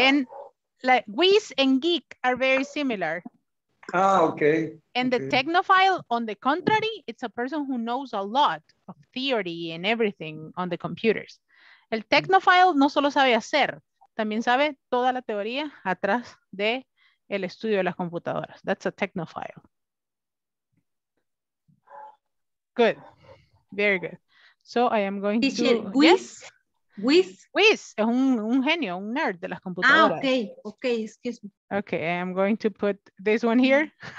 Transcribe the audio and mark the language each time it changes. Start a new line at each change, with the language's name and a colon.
English: And like whiz and geek are very similar. Ah, okay. And the technophile, on the contrary, it's a person who knows a lot of theory and everything on the computers.
Spanish: El technophile no solo sabe hacer, también sabe toda la teoría atrás de el estudio de las computadoras.
English: That's a technophile. Good. Very good. So I am going Is to... Whiz?
Spanish: Es un genio, un nerd de las computadoras.
English: Ah, okay, excuse me. Okay, I am going to put this one here.